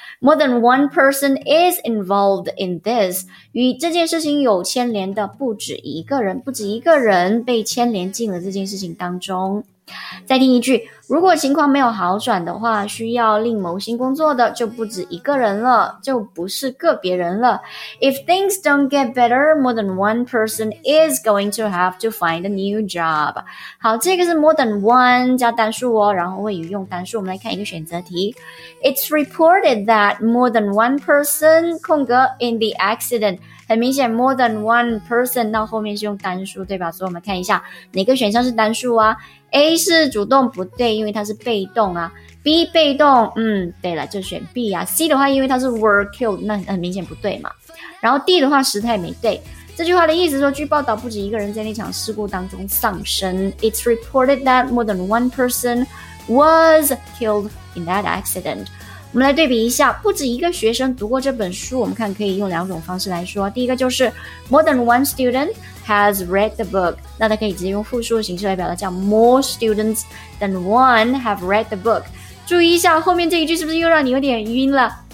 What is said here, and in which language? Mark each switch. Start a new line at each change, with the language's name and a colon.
English: More than one person is involved in this。
Chinese: 与这件事情有牵连的不止一个人，不止一个人被牵连进了这件事情当中。再听一句，如果情况没有好转的话，需要另谋新工作的就不止一个人了，就不是个别人了。
English: If things don't get better, more than one person is going to have to find a new job.
Chinese: 好，这个是 more than one 加单数哦，然后谓语用单数。我们来看一个选择题。
English: It's reported that more than one person
Chinese: 空格
English: in the accident.
Chinese: 很明显 ，more than one person 到后面是用单数，对吧？所以我们看一下哪个选项是单数啊 ？A 是主动，不对，因为它是被动啊。 B 被动，对了，就选 B 啊。C 的话，因为它是 were killed， 那很明显不对嘛。然后 D 的话，时态没对。这句话的意思说，据报道，不止一个人在那场事故当中丧生。
English: It's reported that more than one person was killed in that accident.
Chinese: 我们来对比一下，不止一个学生读过这本书，我们看可以用两种方式来说。第一个就是
English: more than one student has read the book，
Chinese: 那它可以直接用复数的形式来表达，叫
English: more students than one have read the book。
Chinese: 注意一下后面这一句是不是又让你有点晕了？